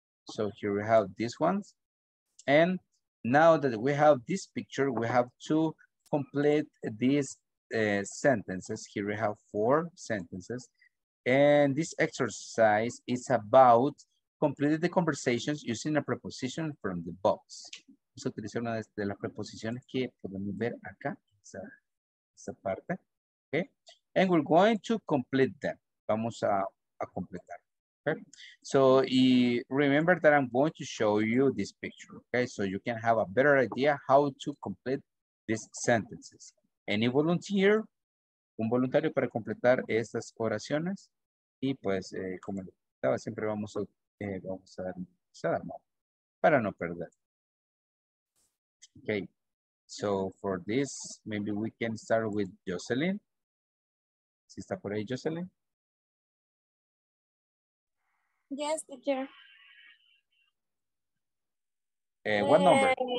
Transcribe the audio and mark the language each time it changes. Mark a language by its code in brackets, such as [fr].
[en] So here we have these ones, and now that we have this picture, we have to complete this sentences. Here we have four sentences. And this exercise is about completing the conversations using a preposition from the box. [es] Vamos a utilizar una de las preposiciones que podemos ver acá, esa parte. [en] Okay. And we're going to complete them. [es] Vamos a completar. [en] Okay. So remember that I'm going to show you this picture. Okay. So you can have a better idea how to complete these sentences. Any volunteer? [es] Un voluntario para completar estas oraciones. Y pues, como estaba, siempre vamos a dar para no perder. [en] Okay. So for this, maybe we can start with Jocelyn. [es] ¿Sí está por ahí, Jocelyn? [en] Yes, teacher. What number?